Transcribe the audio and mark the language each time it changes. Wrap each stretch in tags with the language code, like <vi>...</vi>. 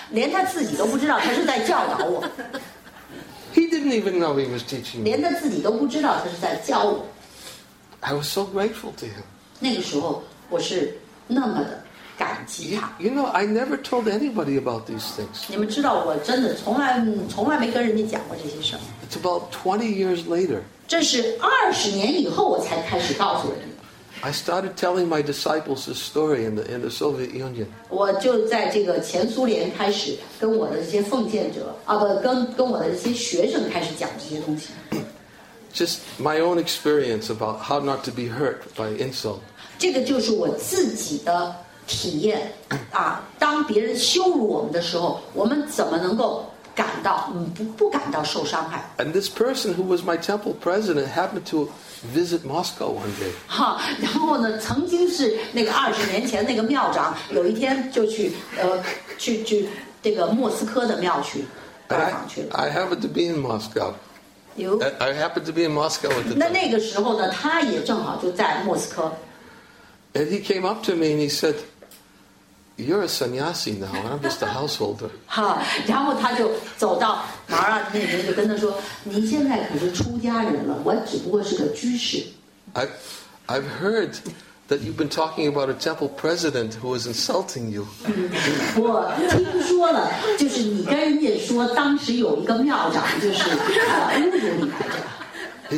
<en>He didn't even know he was teaching me. I was so grateful to him. You know, I never told anybody about these things. It's about 20 years later.</en> <zh>这是二十年以后我才开始告诉人。</zh> <en>I started telling my disciples this story in the Soviet Union.</en> <zh>我就在这个前苏联开始跟我的这些奉献者啊，不，跟我的这些学生开始讲这些东西。</zh> <en>Just my own experience about how not to be hurt by insult.</en> <zh>这个就是我自己的体验啊。当别人羞辱我们的时候，我们怎么能够感到不感到受伤害</zh> <en>？And this person who was my temple president happened to visit Moscow one day.</en> <zh>哈，然后呢，曾经是那个二十年前那个庙长，有一天就去去这个莫斯科的庙去拜访去了。</zh> <en>I happened to be in Moscow. You? I happened to be in Moscow at the time.</en> <zh>那个时候呢，他也正好就在莫斯科。</zh> <en>And he came up to me and he said, "You're a sannyasi now, and I'm just a householder."</en> <zh>哈，然后他就走到马尔那边，就跟他说：“您现在可是出家人了，我只不过是个居士。”</zh> <en>I've heard that you've been talking about a temple president who was insulting you.</en> <zh>我听说了，就是你跟人家说，当时有一个庙长就是侮辱你来着。</zh>